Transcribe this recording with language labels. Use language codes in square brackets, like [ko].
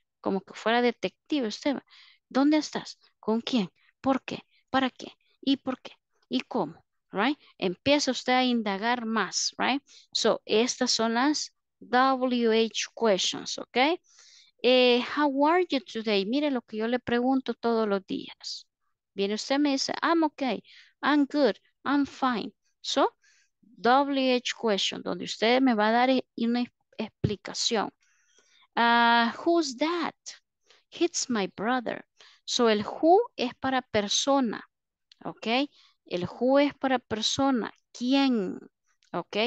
[es] Como que fuera detective usted. ¿Dónde estás? ¿Con quién? ¿Por qué? ¿Para qué? ¿Y por qué? ¿Y cómo? ¿Right? Empieza usted a indagar más, ¿right? So, estas son las WH questions, ¿ok? [en] How are you today? [es] Mire lo que yo le pregunto todos los días. Viene usted y me dice, [en] I'm okay, I'm good, I'm fine. [es] So, WH question, donde usted me va a dar una explicación. [en] Who's that? It's my brother. So, [es] el who es para persona, [en] ¿ok? [es] El who es para persona. ¿Quién? ¿Ok?